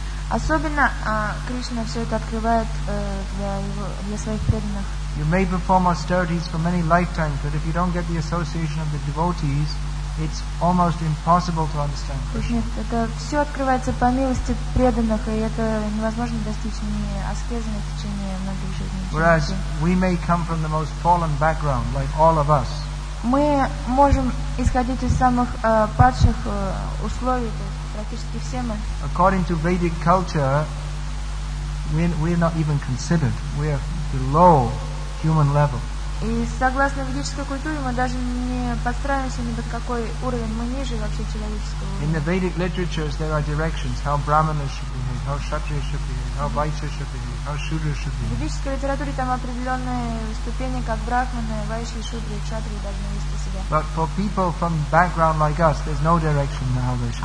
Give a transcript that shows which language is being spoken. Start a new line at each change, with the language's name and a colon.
Russian: Особенно Кришна все это открывает для своих преданных.
English: You may perform austerities for many lifetimes, but if you don't get the association of the devotees, it's almost impossible to understand.
Russian: Нет, это все открывается по милости преданных, и это невозможно достичь ни аскезы, ни в течение многих жизней.
English: Whereas we may come from the most fallen background, like all of us.
Russian: Мы можем исходить из самых падших условий, то есть практически все мы.
English: According to Vedic culture, we're not even considered. We are below human level.
Russian: И согласно ведической культуре мы даже не подстраиваемся ни под какой уровень, мы ниже вообще человеческого уровня.
English: In the Vedic literatures there are directions how brahmanas should behave, how kshatriyas should behave, how vaishyas should behave, how shudras should behave.
Russian: В ведической литературе там определенные ступени, как брахманы, вайши, шудры, кшатрии должны вести себя. себя.
English: But for people from background like us, there's no direction in how they should.